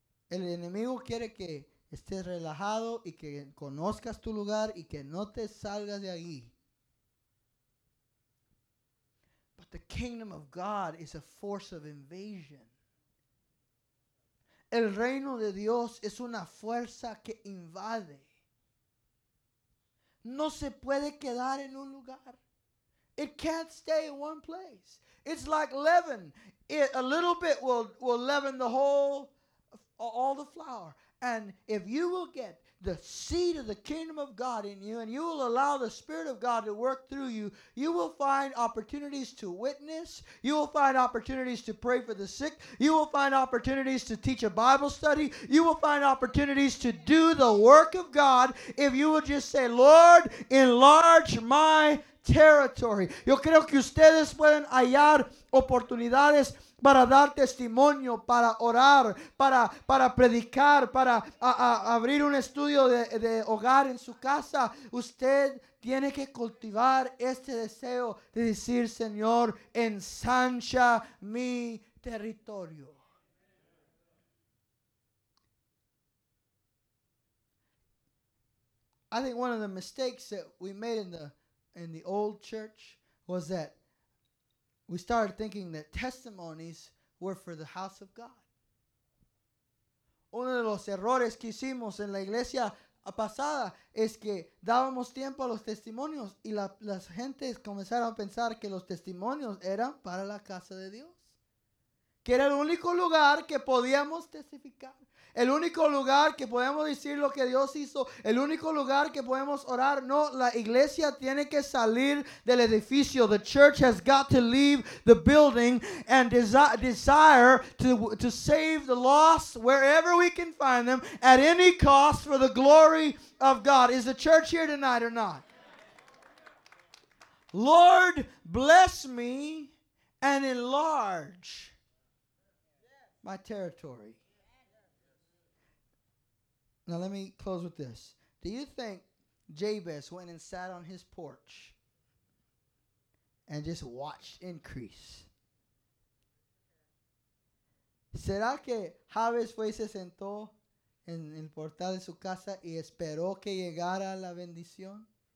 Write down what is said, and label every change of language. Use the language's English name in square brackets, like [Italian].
[Spanish] El enemigo quiere que estés relajado y que conozcas tu lugar y que no te salgas de ahí. [English] But the kingdom of God is a force of invasion. [Spanish] El reino de Dios es una fuerza que invade. No se puede quedar en un lugar. [English] It can't stay in one place. It's like leaven. A little bit will leaven the whole, all the flour. And if you will get the seed of the kingdom of God in you and you will allow the Spirit of God to work through you, you will find opportunities to witness. You will find opportunities to pray for the sick. You will find opportunities to teach a Bible study. You will find opportunities to do the work of God if you will just say, Lord, enlarge my territory. [Spanish] Yo creo que ustedes pueden hallar oportunidades para dar testimonio, para orar, para predicar, para abrir un estudio de hogar en su casa. Usted tiene que cultivar este deseo de decir, Señor, ensancha mi territorio. [English] I think one of the mistakes that we made in the old church was that we started thinking that testimonies were for the house of God. [Spanish] Uno de los errores que hicimos en la iglesia pasada es que dábamos tiempo a los testimonios y las gentes comenzaron a pensar que los testimonios eran para la casa de Dios. Que era el único lugar que podíamos testificar. El único lugar que podemos decir lo que Dios hizo. El único lugar que podemos orar. No, la iglesia tiene que salir del edificio. [English] The church has got to leave the building and desire to save the lost wherever we can find them at any cost for the glory of God. Is the church here tonight or not? Lord, bless me and enlarge my territory. Now let me close with this. Do you think Jabez went and sat on his porch and just watched increase? [Spanish] ¿Será que Jabez fue y se sentó en el portal de su casa y esperó que llegara la bendición?